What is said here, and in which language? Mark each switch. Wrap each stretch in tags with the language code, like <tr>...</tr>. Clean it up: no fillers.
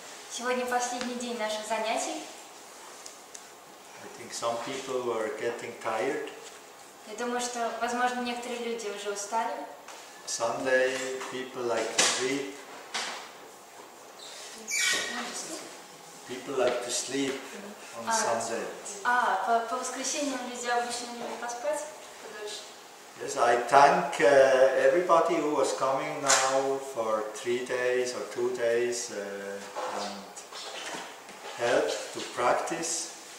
<ru>Сегодня последний день наших занятий.</ru> <en>I think some people are getting tired.</en> <ru>Я думаю, что, возможно, некоторые люди уже устали.</ru> <en>Sunday people like to sleep. People like to sleep on Sunday.</en> <ru>По воскресеньям люди обычно не могут поспать подольше.</ru> <en>Yes, I thank everybody who was coming now for 3 days or 2 days and helped to practice.</en>